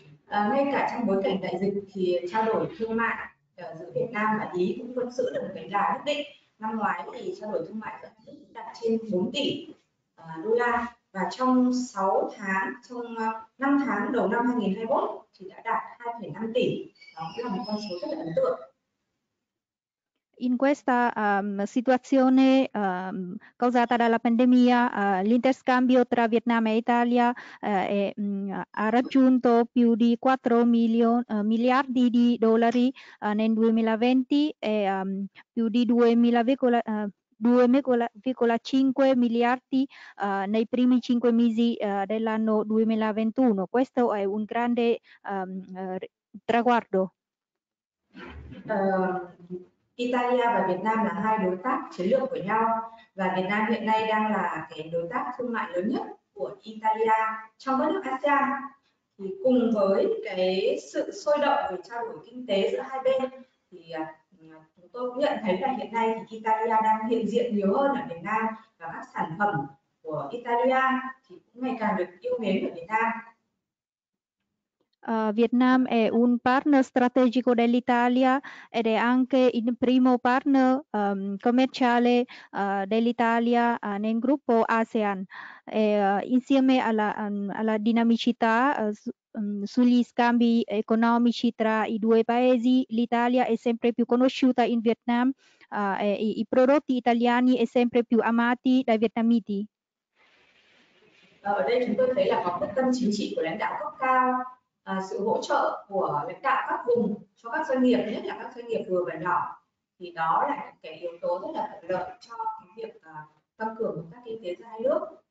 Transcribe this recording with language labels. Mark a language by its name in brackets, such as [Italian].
[Vietnamese] Ngay cả trong bối cảnh đại dịch thì trao đổi thương mại giữa Việt Nam và Ý cũng vẫn giữ được một cái đà nhất định. Năm ngoái thì trao đổi thương mại vẫn đạt trên 4 tỷ đô la, và trong 6 tháng, trong 5 tháng đầu năm 2021 thì đã đạt 2,5 tỷ. Đó là một con số rất là ấn tượng. [Italian] In questa situazione causata dalla pandemia, l'interscambio tra Vietnam e Italia ha raggiunto più di 4 miliardi di dollari nel 2020 e più di 2,5 2,5 miliardi nei primi 5 mesi dell'anno 2021. Questo è un grande traguardo. [Vietnamese] Italia và Việt Nam là hai đối tác chiến lược của nhau và Việt Nam hiện nay đang là cái đối tác thương mại lớn nhất của Italia trong các nước ASEAN. Thì cùng với cái sự sôi động về trao đổi kinh tế giữa hai bên thì chúng tôi cũng nhận thấy là hiện nay thì Italia đang hiện diện nhiều hơn ở Việt Nam và các sản phẩm của Italia thì cũng ngày càng được yêu mến ở Việt Nam. [Italian] Việt Nam è un partner strategico dell'Italia ed è anche il primo partner commerciale dell'Italia nel gruppo ASEAN. E, insieme alla dinamicità sugli scambi economici tra i due paesi, l'Italia è sempre più conosciuta in Vietnam e i prodotti italiani sono sempre più amati dai vietnamiti. [Vietnamese] Ở đây chúng tôi thấy là có quyết tâm chính trị của lãnh đạo cấp cao. Sự hỗ trợ của lãnh đạo các vùng cho các doanh nghiệp, nhất là các doanh nghiệp vừa và nhỏ, thì đó là những cái yếu tố rất là thuận lợi cho việc tăng cường hợp tác kinh tế giữa hai nước.